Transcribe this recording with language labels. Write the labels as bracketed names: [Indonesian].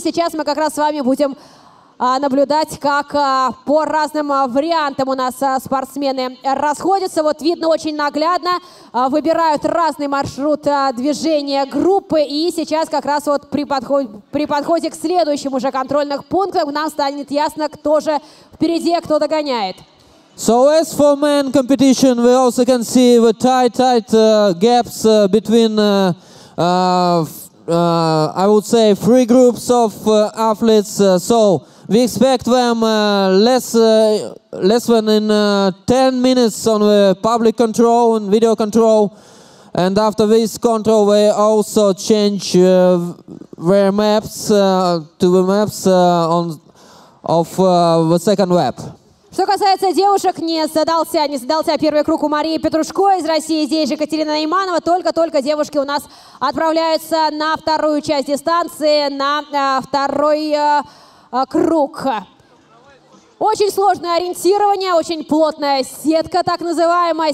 [Russian] И сейчас мы как раз с вами будем наблюдать, как по разным вариантам у нас спортсмены расходятся. Вот видно очень наглядно, выбирают разный маршрут движения группы. И сейчас как раз вот при подходе к следующим уже контрольным пунктам нам станет ясно, кто же впереди, кто догоняет. [English] So as for men competition, we also can see the tight gaps between, I would say, three groups of athletes. So we expect them less than in 10 minutes on the public control and video control. And after this control, we also change their maps to the maps on of the second web. [Russian] Что касается девушек, не сдался первый круг у Марии Петрушко из России. Здесь же Екатерина Найманова. Только-только девушки у нас отправляются на вторую часть дистанции, на второй круг. Очень сложное ориентирование, очень плотная сетка, так называемая.